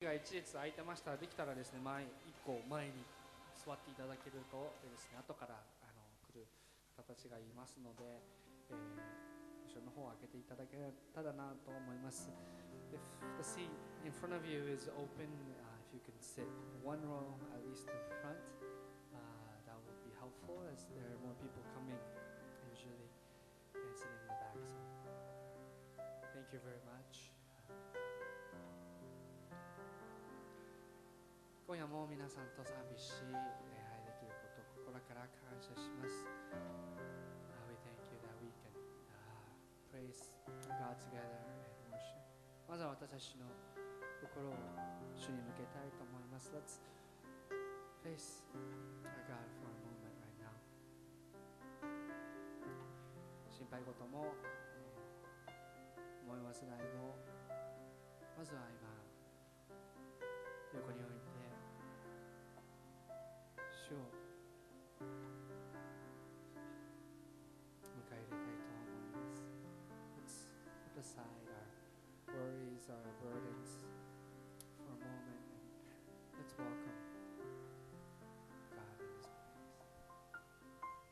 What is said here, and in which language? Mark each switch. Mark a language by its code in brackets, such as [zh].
[ja] が1列空いてましたらできたらですね前1個前に座っていただけるとでですね後から来る方たちがいますので、後ろの方を開けていただけたらなと思います。 [en] If the seat in front of you is open、if you can sit one row at least in front、that would be helpful as there are more people coming usually and sitting in the back、so、Thank you very much。 [ja] 今夜も皆さんと賛美し礼拝できることを心から感謝します。 [en] We thank you that we can、praise God together and worship。 [ja] まずは私たちの心を主に向けたいと思います。 [en] Let's face our God for a moment right now。 [ja] 心配事も、思い忘れもまずは今横に置いて主を迎え入れたいと思います。 [en] Let's put aside our worries, our burdens for a moment and let's welcome God in His place。